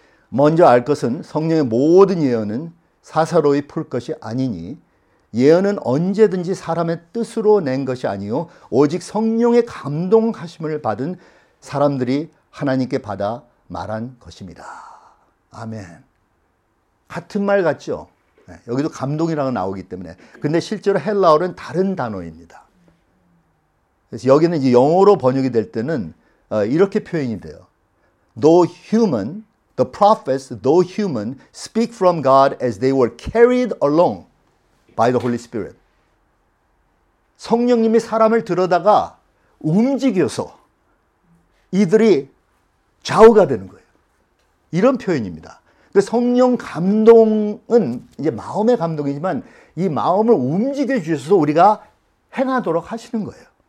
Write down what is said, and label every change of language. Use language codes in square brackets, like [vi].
[ko] 먼저 알 것은 성령의 모든 예언은 사사로이 풀 것이 아니니 예언은 언제든지 사람의 뜻으로 낸 것이 아니요 오직 성령의 감동하심을 받은 사람들이 하나님께 받아 말한 것입니다. 아멘. 같은 말 같죠? 네, 여기도 감동이라고 나오기 때문에. 근데 실제로 헬라어는 다른 단어입니다. 그래서 여기는 이제 영어로 번역이 될 때는 이렇게 표현이 돼요. [en] No human, the prophets, no human speak from God as they were carried along by the Holy Spirit. [ko] 성령님이 사람을 들어다가 움직여서 이들이 좌우가 되는 거예요. 이런 표현입니다. 성령 감동은 이제 마음의 감동이지만 이 마음을 움직여 주셔서 우리가 행하도록 하시는 거예요.